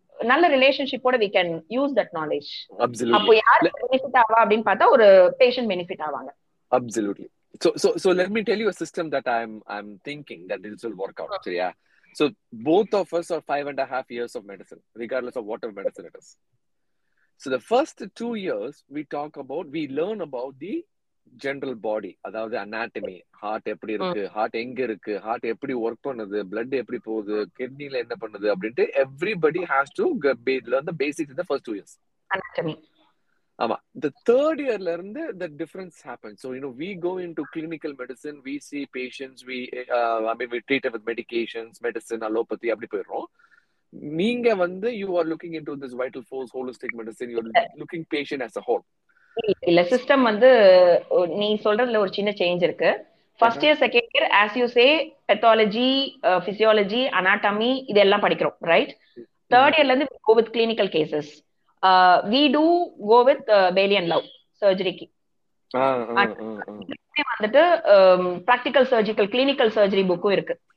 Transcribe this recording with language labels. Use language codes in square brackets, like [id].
[ta] நல்ல ரிலேஷன்ஷிப் கூட [en] we can use that knowledge. Absolutely. [ta] அப்போ யார் பெனிஃபிட் ஆவா அப்படிን பார்த்தா ஒரு பேஷண்ட் பெனிஃபிட் ஆவாங்க. [en] Absolutely. So let me tell you a system that I'm thinking that this will work out. Okay. Yeah. So both of us are 5.5 years of medicine regardless of what of medicine it is. So the first 2 years we learn about the general body, அதாவது anatomy, heart எப்படி இருக்கு, [ta] heart எங்க இருக்கு, [en] heart எப்படி work பண்ணுது, blood எப்படி போகுது, kidney [ta] ல என்ன பண்ணுது அப்படினு, [en] everybody has to learn the basics in the first 2 years. Anatomy. ஆமா, the third year ல இருந்து the difference happens. So you know, we go into clinical medicine, we see patients, we treat them with medications, medicine, allopathy [ta] அப்படி போயிரோம். நீங்க வந்து [en] you are looking into this vital force, holistic medicine, you are looking patient as a whole. [ta] இல்ல system வந்து நீ சொல்றதுல ஒரு சின்ன change இருக்கு. First year second year [en] as you say [ta] pathology physiology anatomy இதெல்லாம் படிக்கிறோம் ரைட். தேர்ட் இயர்ல இருந்து [en] go with clinical cases we do go with [ta] Bali and love சர்ஜரிக்கு வந்துட்டு பிராக்டிக்கல் சர்ஜிக்கல் கிளினிக்கல் சர்ஜரி புக்கும் இருக்கு.